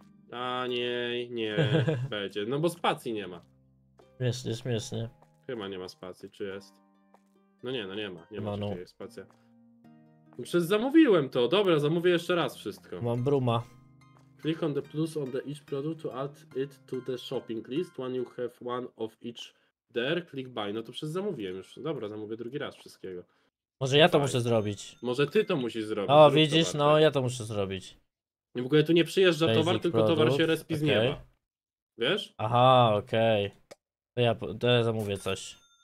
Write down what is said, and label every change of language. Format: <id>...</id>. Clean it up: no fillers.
<pl>Taniej, nie, będzie. No bo spacji nie ma. Śmiesznie, śmiesznie. Chyba nie ma spacji, czy jest? No nie, no nie ma. Nie ma spacji. Przecież zamówiłem to. Dobra, zamówię jeszcze raz wszystko. Mam bruma.</pl> <en>Click on the plus on the each product to add it to the shopping list. When you have one of each there, click buy.</en> <pl>No to przecież zamówiłem już. Dobra, zamówię drugi raz wszystkiego. Może ja to muszę zrobić. Może ty to musisz zrobić. O, widzisz, no ja to muszę zrobić. W ogóle tu nie przyjeżdża Basic towar, tylko towar się respi z nieba. Wiesz? Aha, okej. To ja zamówię coś.</pl>